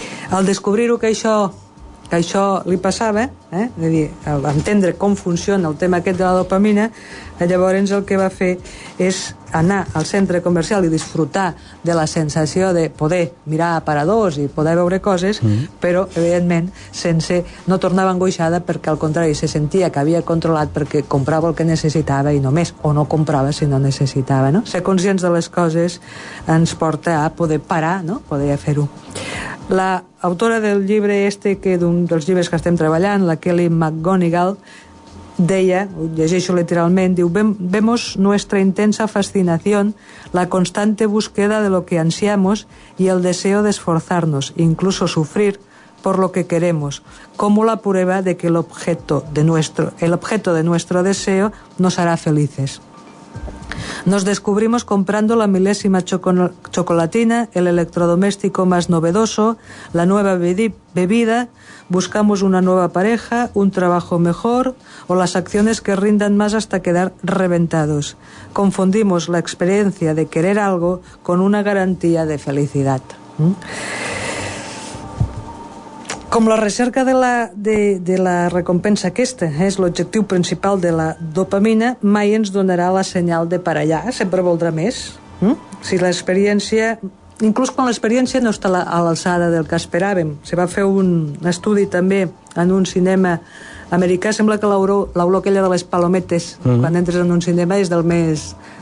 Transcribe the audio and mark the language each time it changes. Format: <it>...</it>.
<ca>Al descobrir-ho que això li passava, és a dir, entendre com funciona el tema aquest de la dopamina, llavors el que va fer és anar al centre comercial i disfrutar de la sensació de poder mirar aparadors i poder veure coses, però evidentment sense, no tornava angoixada, perquè al contrari, se sentia que havia controlat, perquè comprava el que necessitava i només, o no comprava si no necessitava, no? Ser conscients de les coses ens porta a poder parar, no? Poder fer-ho. La autora del llibre este, que d'un dels llibres que estem treballant, la Kelly McGonigal, deia, ho llegeixo literalment, diu:</ca> <es>vemos nuestra intensa fascinación, la constante búsqueda de lo que ansiamos y el deseo de esforzarnos, incluso sufrir, por lo que queremos, como la prueba de que el objeto de nuestro deseo nos hará felices. Nos descubrimos comprando la milésima chocolatina, el electrodoméstico más novedoso, la nueva bebida, buscamos una nueva pareja, un trabajo mejor o las acciones que rindan más hasta quedar reventados. Confundimos la experiencia de querer algo con una garantía de felicidad.</es> <ca>Com la recerca de la recompensa aquesta és l'objectiu principal de la dopamina, mai ens donarà la senyal de per allà, sempre voldrà més. Si l'experiència, inclús quan l'experiència no està a l'alçada del que esperàvem, se va fer un estudi també en un cinema americà, sembla que l'olor aquella de les palometes, quan entres en un cinema és del més...</ca>